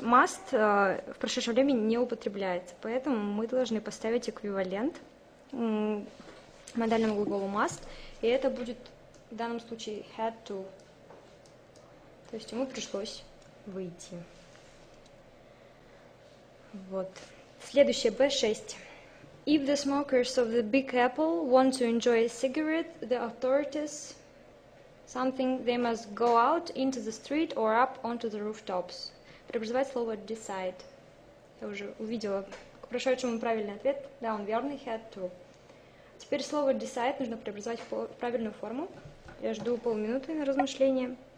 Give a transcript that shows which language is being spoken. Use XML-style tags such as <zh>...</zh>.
<ru>Must в прошедшем времени не употребляется. Поэтому мы должны поставить эквивалент модальному глаголу must. И это будет в данном случае had to. То есть ему пришлось выйти. Вот. Следующее, B6.</ru> <en>If the smokers of the Big Apple want to enjoy a cigarette, the authorities something, they must go out into the street or up onto the rooftops.</en> <ru>Преобразовать слово decide. Я уже увидела к прошедшему правильный ответ. Да, он верный, had to. Теперь слово decide нужно преобразовать в правильную форму. Я жду полминуты на размышление.</ru>